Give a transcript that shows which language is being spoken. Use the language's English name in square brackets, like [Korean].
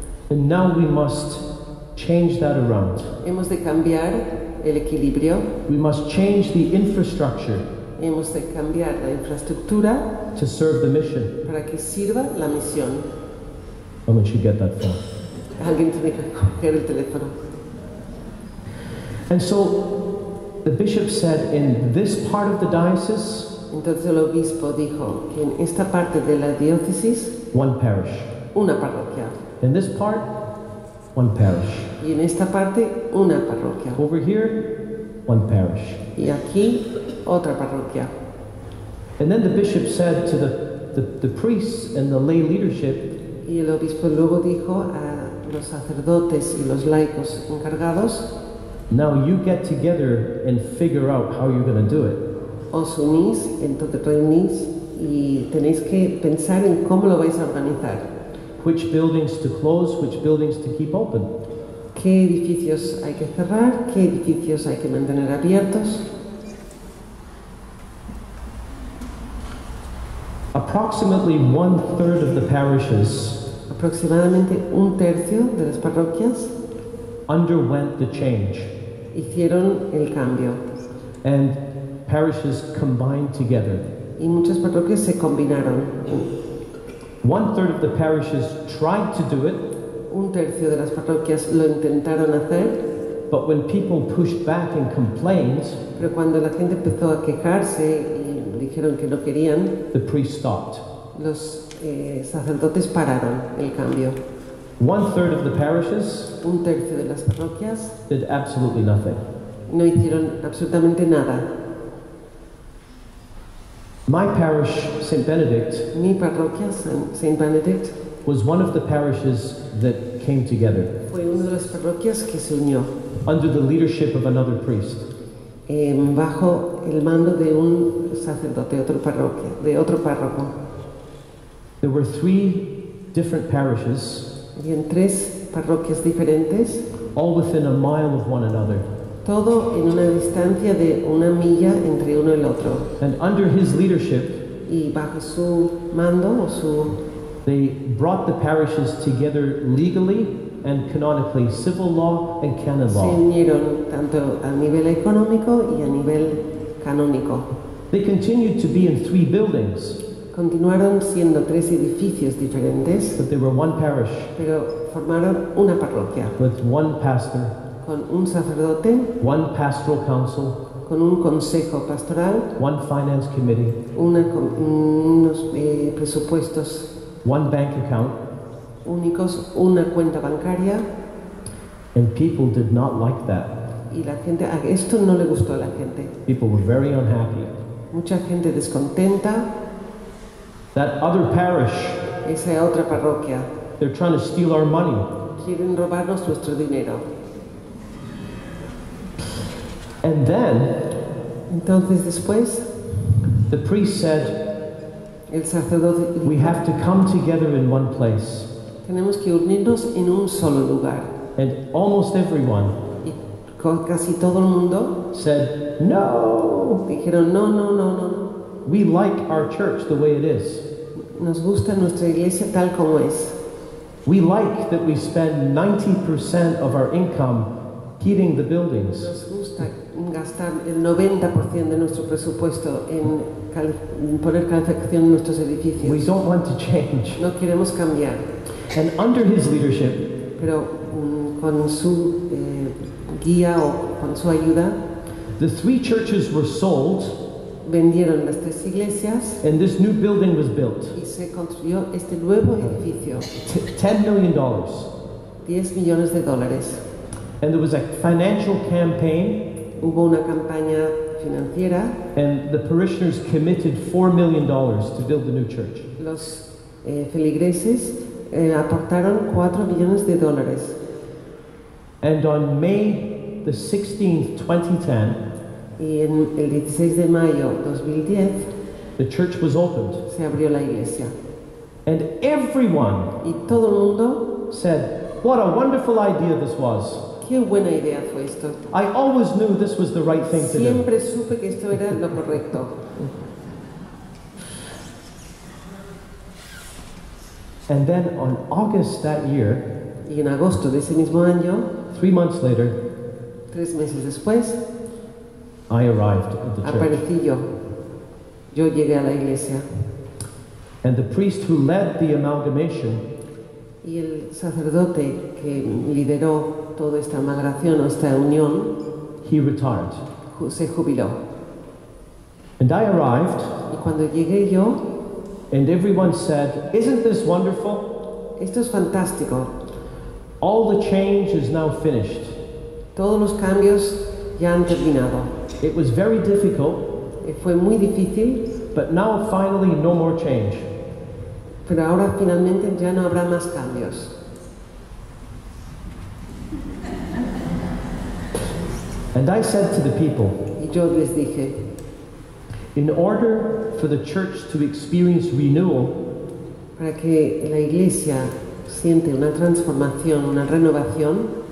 [English] And now we must change that around. [Spanish] Hemos de cambiar el equilibrio. [English] We must change the infrastructure. [Spanish] Hemos de cambiar la infraestructura [English] to serve the mission. [Spanish] Para que sirva la misión. [English] Someone should get that phone. [Spanish] Alguien tiene que coger el teléfono. [English] And so the bishop said, in this part of the diocese, [Spanish] entonces el obispo dijo que en esta parte de la diócesis, [English] one parish, [Spanish] una parroquia. [English] In this part, one parish. [Spanish] Y en esta parte, una parroquia. [English] Over here, one parish. [Spanish] Y aquí, otra parroquia. [English] And then the bishop said to the priests and the lay leadership, [Spanish] y el obispo luego dijo a los sacerdotes y los laicos encargados, [English] now you get together and figure out how you're going to do it. [Spanish] Os unís, entonces reunís, y tenéis que pensar en cómo lo vais a organizar. [English] Which buildings to close, which buildings to keep open. [Spanish] ¿Qué edificios hay que cerrar? ¿Qué edificios hay que mantener abiertos? [English] Approximately one third of the parishes, [Spanish] aproximadamente un tercio de las parroquias, [English] underwent the change. [Spanish] Hicieron el cambio. [English] And parishes combined together. [Spanish] Y muchas parroquias se combinaron. [English] One third of the parishes tried to do it. [Spanish] Un tercio de las parroquias lo intentaron hacer, [English] But when people pushed back and complained, [Spanish] pero cuando la gente empezó a quejarse y dijeron que no querían, [English] the priest stopped. [Spanish] Los sacerdotes pararon el cambio. [English] One third of the parishes, [Spanish] un tercio de las parroquias, [English] did absolutely nothing. [Spanish] No hicieron absolutamente nada. [English] My parish, Saint Benedict, [Spanish] mi parroquia, Saint Benedict, [English] was one of the parishes that came together. [Spanish] Fue una de las parroquias que se unió. [English] Under the leadership of another priest. [Spanish] Bajo el mando de un sacerdote de otro párroco. [English] There were three different parishes. [Spanish] Habían tres parroquias diferentes. [English] All within a mile of one another. [Spanish] Todo en una distancia de una milla entre uno y el otro. [English] And under his leadership, [Spanish] y bajo su mando o su, [English] they brought the parishes together legally and canonically, civil law and canon law. [Spanish] Se unieron tanto a nivel económico y a nivel canónico. [English] They continued to be in three buildings. [Spanish] Continuaron siendo tres edificios diferentes, [English] but they were one parish, [Spanish] pero formaron una parroquia [English] with one pastor, [Spanish] con un sacerdote, [English] one pastoral council, [Spanish] con un consejo pastoral, [English] one finance committee, [Spanish] unos presupuestos, [English] one bank account, [Spanish] únicos, una cuenta bancaria. [English] And people did not like that. [Spanish] Y la gente, esto no le gustó a la gente. [English] People were very unhappy. [Spanish] Mucha gente descontenta. [English] That other parish, [Spanish] esa otra parroquia, [English] they're trying to steal our money. [Spanish] Quieren robarnos nuestro dinero. [English] And then, [Spanish] entonces después, [English] the priest said, [Spanish] el sacerdote, [English] we have to come together in one place. [Spanish] Tenemos que unirnos en un solo lugar. [English] And almost everyone, [Spanish] y casi todo el mundo, [English] said, no. [Spanish] Dijeron, no, no, no, no. [English] We like our church the way it is. [Spanish] Nos gusta nuestra iglesia tal como es. [English] We like that we spend 90% of our income heating the buildings. [Spanish] Nos gusta gastar el 90% de nuestro presupuesto en poner calefacción en nuestros edificios. [English] We don't want to change. [Spanish] No queremos cambiar. [English] And under his leadership, [Spanish] pero con su guía o con su ayuda, [English] the three churches were sold. [Spanish] Vendieron las tres iglesias. [English] And this new building was built. [Spanish] Y se construyó este nuevo edificio. [English] $10 million. [Spanish] 10 millones de dólares. [English] And there was a financial campaign. [Spanish] Hubo una campaña financiera. [English] And the parishioners committed $4 million to build the new church. [Spanish] Los feligreses aportaron 4 millones de dólares. [English] And on May the 16th, 2010, [Spanish] y en el 16 de mayo 2010, [English] the church was opened. [Spanish] Se abrió la iglesia. [English] And everyone, [Spanish] y todo el mundo, [English] said, what a wonderful idea this was. [Spanish] Qué buena idea fue esto. [English] I always knew this was the right thing [Spanish] siempre [English] to do. [Spanish] Siempre supe que esto era lo correcto. [English] And then on August that year, [Spanish] y en agosto de ese mismo año, [English] 3 months later, [Spanish] 3 meses después, [English] I arrived at the church. [Spanish] Aparecí yo. Yo llegué a la iglesia. [English] And the priest who led the amalgamation, [Spanish] y el sacerdote que lideró toda esta amalgamación o esta unión, [English] he retired. [Spanish] Se jubiló. [English] And I arrived, [Spanish] y cuando llegué yo, [English] and everyone said, isn't this wonderful? [Spanish] Esto es fantástico. [English] All the change is now finished. [Spanish] Todos los cambios ya han terminado. [English] It was very difficult. [Spanish] Fue muy difícil. [English] But now finally no more change. [Spanish] Pero ahora finalmente ya no habrá más cambios. [English] And I said to the people, [Spanish] y yo les dije, [English] in order for the church to experience renewal, [Spanish] para que la iglesia siente una transformación, una renovación,